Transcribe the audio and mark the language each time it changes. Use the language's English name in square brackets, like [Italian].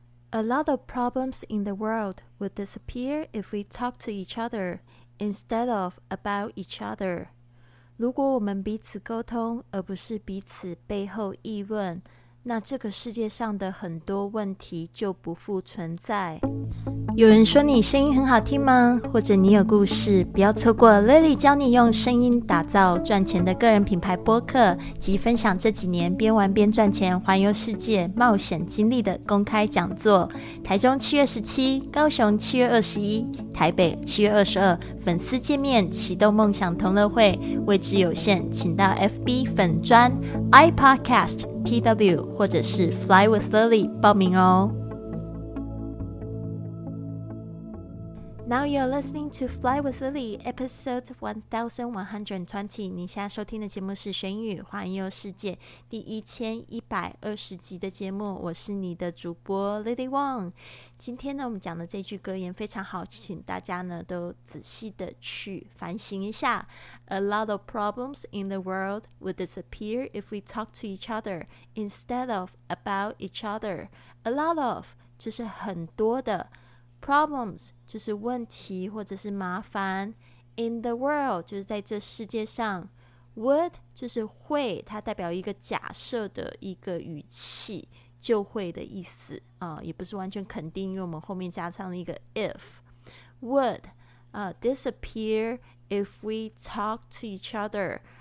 [English] A lot of problems in the world would disappear if we talk to each other instead of about each other. [Chinese] 如果我们彼此沟通，而不是彼此背后议论，那这个世界上的很多问题就不复存在。有人说你声音很好听吗？或者你有故事？不要错过 Lily 教你用声音打造赚钱的个人品牌播客，及分享这几年边玩边赚钱、环游世界、冒险经历的公开讲座。台中7月17、高雄7月21、台北7月22，粉丝见面启动梦想同乐会，位置有限，请到 FB 粉专 iPodcast TW 或者是 Fly with Lily 报名哦。 [English] Now you're listening to Fly with Lily, episode 1120. [Chinese] 你现在收听的节目是《玄语环游世界》第1120集的节目，我是你的主播 Lily Wong。今天呢，我们讲的这句格言非常好，请大家呢都仔细的去反省一下。 [English] A lot of problems in the world would disappear if we talk to each other instead of about each other. A lot of [Chinese] 就是很多的。 [English] Problems [Chinese] 就是问题或者是麻烦 [English] In the world [Chinese] 就是在这世界上 [English] Would [Chinese] 就是会它代表一个假设的一个语气就会的意思、也不是完全肯定因为我们后面加上了一个 if [English] Would、disappear if we talk to each other、